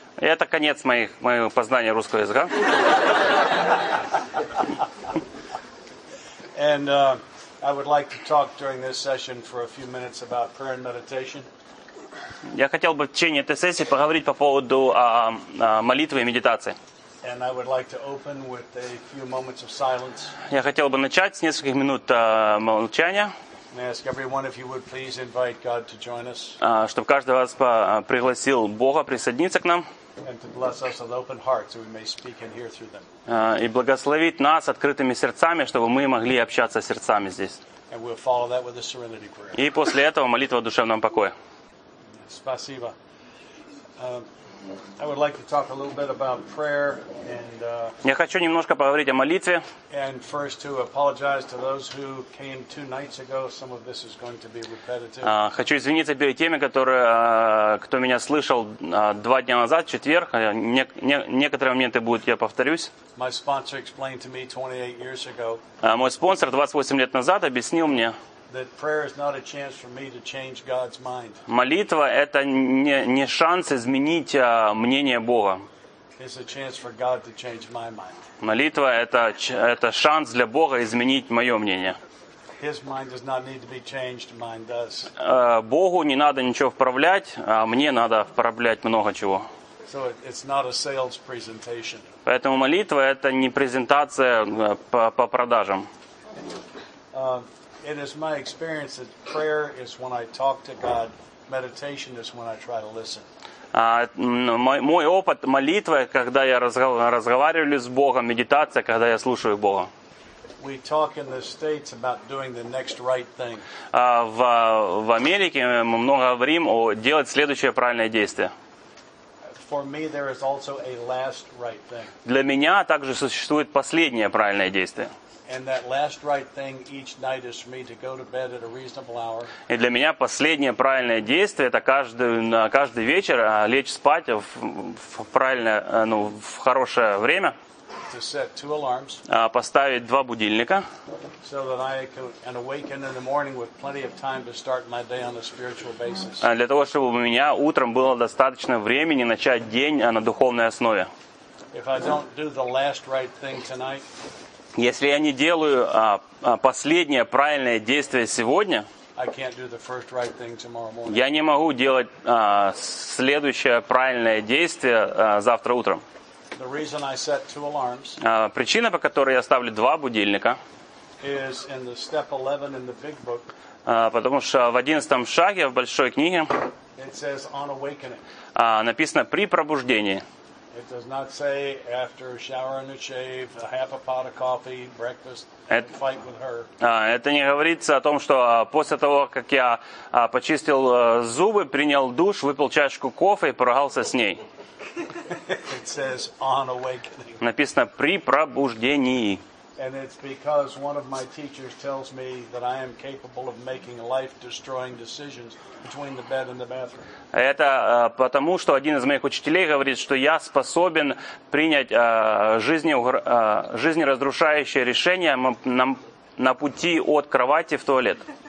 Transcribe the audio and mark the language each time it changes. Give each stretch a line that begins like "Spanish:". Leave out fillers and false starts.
Russian: Это конец моего познания русского языка.
English: And I would like to talk during this session for a few minutes about prayer and meditation.
Russian: Я хотел бы в течение этой сессии поговорить по поводу молитвы и медитации.
English: And I would like to open with a few moments of silence.
Russian: Я хотел бы начать с нескольких минут молчания.
English: May I ask everyone if you would please invite God to join us.
Russian: Чтобы каждый вас пригласил Бога присоединиться к нам.
English: And to bless us with open hearts so we may speak and hear through them.
Russian: И благословить нас открытыми сердцами, чтобы мы могли общаться сердцами здесь.
English: And we'll follow that with a serenity prayer.
Russian: И после этого молитва о душевном покое. Спасибо.
English: I would like to talk a little bit about prayer and
Russian: Я хочу немножко поговорить о молитве.
English: And first to apologize to those who came two nights ago. Some of this is going to be repetitive.
Russian: Хочу извиниться перед теми, которые кто меня слышал два дня назад, четверг. Некоторые моменты будут, я повторюсь.
English: My sponsor explained to me 28 years ago.
Russian: Мой спонсор 28 лет назад объяснил мне.
English: That prayer is not a chance for me to change God's mind.
Russian: Молитва это не шанс изменить мнение Бога.
English: It's a chance for God to change my mind.
Russian: Молитва это шанс для Бога изменить мое мнение.
English: His mind does not need to be changed, mine does.
Russian: Богу не надо ничего вправлять, а мне надо вправлять много чего.
English: So it's not a sales presentation.
Russian: Поэтому молитва это не презентация по продажам.
English: It is my experience that prayer is when I talk to God, meditation is when I try to listen.
Russian: Мой опыт молитвы, когда я разговариваю с Богом, медитация, когда я слушаю Бога.
English: We talk in the States about doing the next right thing.
Russian: В Америке мы много говорим о делать следующее правильное действие.
English: For me there is also a last right thing.
Russian: Для меня также существует последнее правильное действие.
English: And that last right thing each night is for me to go to bed at a reasonable hour.
Russian: И для меня последнее правильное действие это каждый вечер лечь спать в правильное, ну, в хорошее время.
English: To set two alarms.
Russian: Поставить два будильника.
English: So that I can awaken in the morning with plenty of time to start my day on a spiritual basis.
Russian: Для того, чтобы у меня утром было достаточно времени начать день на духовной основе.
English: If I don't do the last right thing tonight,
Russian: если я не делаю последнее правильное действие сегодня,
English: I can't do the first right thing tomorrow morning.
Russian: Я не могу делать следующее правильное действие завтра утром.
English: The reason I set two alarms,
Russian: причина, по которой я ставлю два будильника,
English: is in the step 11 in the big book,
Russian: потому что в 11 шаге в большой книге
English: it says on awakening.
Russian: Написано «при пробуждении».
English: It does not say after a shower and a shave, a half a pot of coffee, breakfast, and fight with her.
Russian: Это не говорится о том, что после того, как я почистил зубы, принял душ, выпил чашку кофе и поругался с ней.
English: It says on awakening.
Russian: Написано при пробуждении.
English: And it's because one of my teachers tells me that I am capable of making life-destroying decisions between the bed and the bathroom.
Russian: Это потому, что один из моих учителей говорит, что я способен принять жизнеразрушающее решение на пути от кровати в туалет.